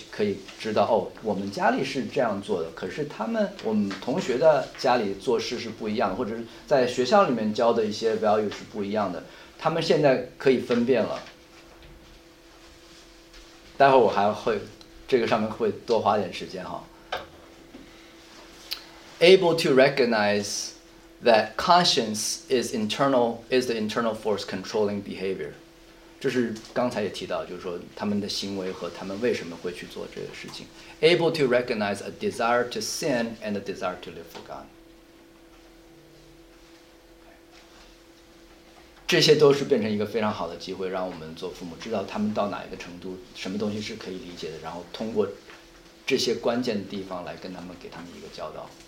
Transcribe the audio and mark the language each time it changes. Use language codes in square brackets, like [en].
[zh] 可以知道哦，我们家里是这样做的，可是他们我们同学的家里做事是不一样的，或者是在学校里面教的一些 value 是不一样的，他们现在可以分辨了，待会我还会这个上面会多花点时间哈。 [en] able to recognizeThat conscience is the internal force controlling behavior. [zh] 这是刚才也提到，就是说他们的行为和他们为什么会去做这个事情。 [en] Able to recognize a desire to sin and a desire to live for God. [zh] 这些都是变成一个非常好的机会，让我们做父母知道他们到哪一个程度，什么东西是可以理解的，然后通过这些关键的地方来跟他们给他们一个教导。